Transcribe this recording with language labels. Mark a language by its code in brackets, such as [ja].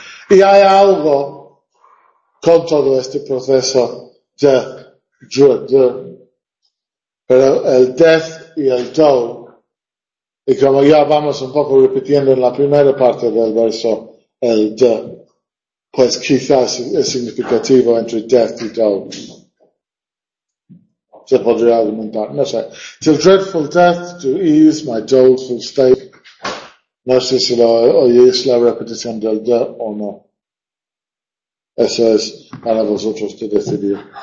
[es] Y hay algo con todo este proceso de dr, pero el death y el do, y como ya vamos un poco repitiendo en la primera parte del verso, el de, pues quizás es significativo entre death y do. Se podría argumentar, no sé. [en] Till dreadful death to ease my doleful state. [es] No sé si lo oyes la repetición del de o no. Eso es para vosotros que decidir.